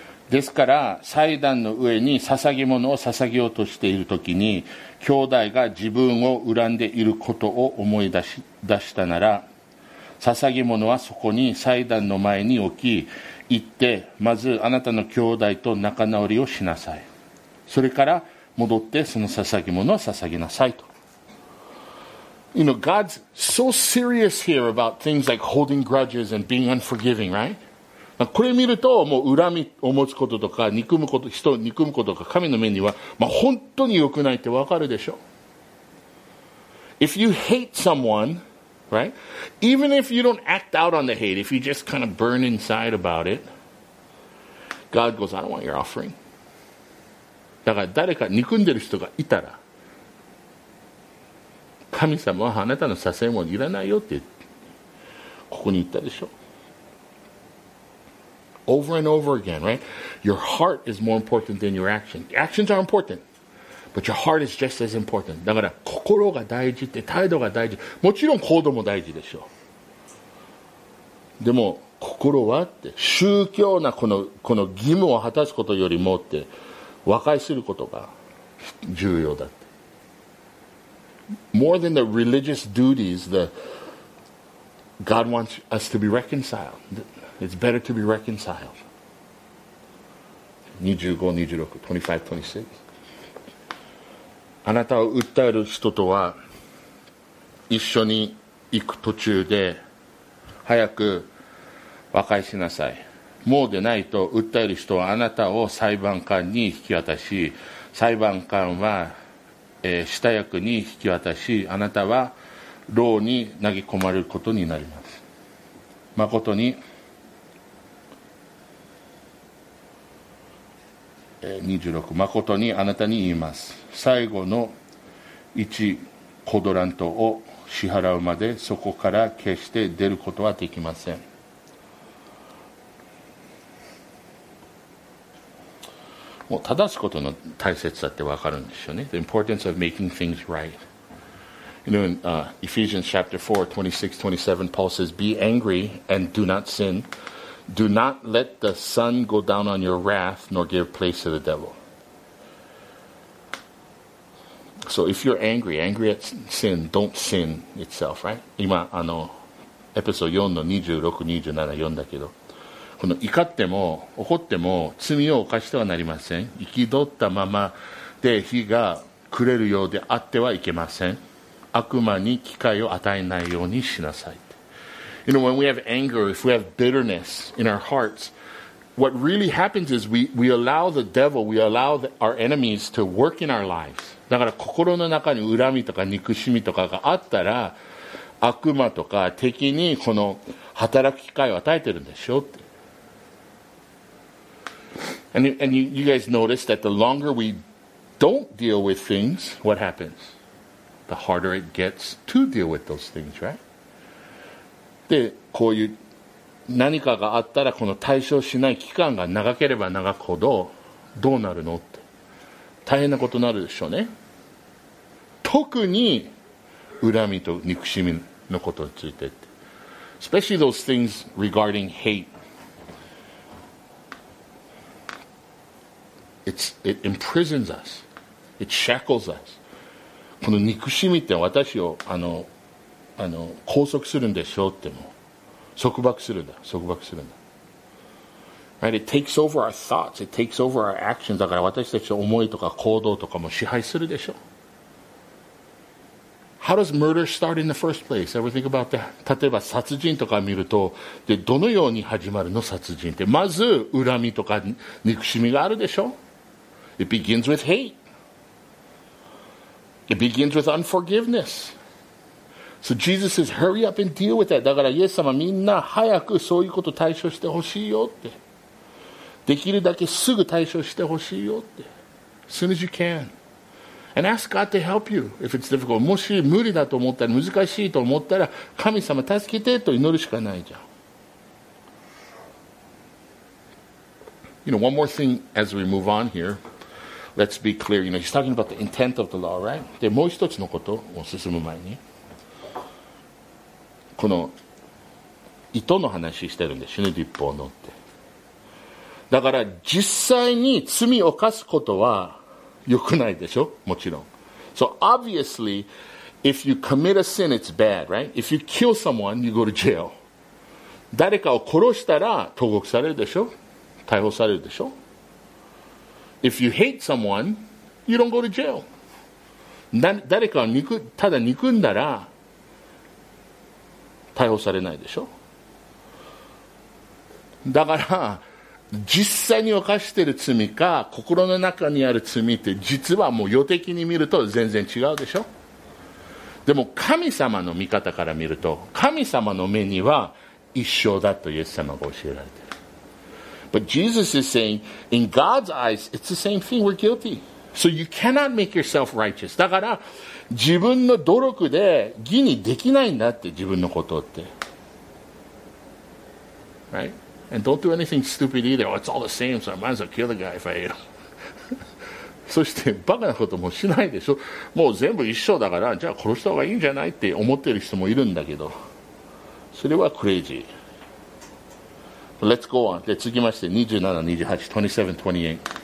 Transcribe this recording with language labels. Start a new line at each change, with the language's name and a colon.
Japanese: ですから祭壇の上に捧げ物を捧げようとしているときに兄弟が自分を恨んでいることを思い出したなら、捧げ物はそこに祭壇の前に置き、行ってまずあなたの兄弟と仲直りをしなさい。それから戻ってその捧げ物を捧げなさいと。
English: You know, God's so serious here about things like holding grudges and being unforgiving, right?
Japanese: これ見るともう恨みを持つこととか憎むこと、人を憎むこととか神の目には、まあ、本当に良くないってわかるでしょ。
English: If you hate someoneRight? Even if you don't act out on the hate, if you just kind of burn inside about it, God goes, I don't want your offering.
Japanese: だから誰か憎んでる人がいたら、神様はあなたの捧げ物いらないよってここに言ったでしょ。
English: Over and over again, right? Your heart is more important than your action. Actions are important. But your heart is just as important.
Japanese: だから心が大事って態度が大事、もちろん行動も大事でしょう。でも心はって、宗教なこの義務を果たすことよりもって和解することが重要だって。
English: More than the religious duties, God wants us to be reconciled. It's better to be reconciled. 25, 26.
Japanese: あなたを訴える人とは一緒に行く途中で早く和解しなさい。もうでないと訴える人はあなたを裁判官に引き渡し、裁判官は、下役に引き渡し、あなたは牢に投げ込まれることになります。まことに、26、まことにあなたに言います、最後の1コドラントを支払うまでそこから決して出ることはできません。もう正すことの大切さって分かるんでしょうね。
English: The importance of making things right. You know, in Ephesians chapter 4, 26, 27, Paul says, Be angry and do not sin. Do not let the sun go down on your wrath, nor give place to the devil. So if you're angry at sin, don't sin itself, right?
Japanese: 今あのエピソード4の26、27読んだけど、この怒っても怒っても罪を犯してはなりません。憤ったままで日が暮れるようであってはいけません。悪魔に機会を与えないようにしなさい。
English: You know, when we have anger, if we have bitterness in our hearts, what really happens is we allow the devil, we allow our enemies to work in our lives.
Japanese: だから心の中に恨みとか憎しみとかがあったら、悪魔とか敵にこの働く機会を与えてるんでしょうって。
English: And you guys notice that the longer we don't deal with things, what happens? The harder it gets to deal with those things, right?
Japanese: で、こういう何かがあったら、この対処しない期間が長ければ長くほどどうなるのって大変なことになるでしょうね。特に恨みと憎しみのことについて、
English: especially those things regarding hate. It imprisons us. It shackles us.
Japanese: この憎しみって私をあの拘束するんでしょうっても、束縛するんだ。
English: Right? It takes over our thoughts. It takes over our actions.
Japanese: だから私たちの思いとか行動とかも支配するでしょう。
English: How does murder start in the first place? Ever think about that?
Japanese: 例えば殺人とか見ると、でどのように始まるの殺人って、まず恨みとか憎しみがあるでしょ。
English: It begins with hate. It begins with unforgiveness. So Jesus says, hurry up and deal with that.
Japanese: だからイエス様みんな早くそういうこと対処してほしいよって。できるだけすぐ対処してほしいよって。
English: As soon as you can. And ask God to help you if it's difficult.
Japanese: もし無理だと思ったら難しいと思ったら神様助けてと祈るしかないじゃん。
English: You know, one more thing as we move on here. Let's be clear. You know, he's talking about the intent of the law, right?
Japanese: で、もう一つのことを進む前に。この意図の話してるんで、死ぬ律法のって。だから実際に罪を犯すことは良くないでしょ？もちろん。
English: So obviously, if you commit a sin, it's bad, right? If you kill someone, you go to jail.
Japanese: 誰かを殺したら投獄されるでしょ？逮捕されるでしょ？
English: If you hate someone, you don't go to jail.
Japanese: 誰かを憎ただ憎んだら逮捕されないでしょ。だから実際に犯している罪か心の中にある罪って実はもう予的に見ると全然違うでしょ。でも神様の見方から見ると神様の目には一緒だとイエス様が教えられている。
English: But Jesus is saying in God's eyes it's the same thing. We're guilty. So you cannot make yourself righteous.
Japanese: だから自分の努力で義にできないんだって自分のことって。
English: Right? And don't do anything stupid either. Oh, it's all the same, so I might as well kill the guy if I hate him.
Japanese: そしてバカなこともしないでしょ。もう全部一緒だから、じゃあ殺した方がいいんじゃないって思ってる人もいるんだけど。それはクレイジー。
English: Let's go on.
Japanese: で、続きまして27、28、27、28。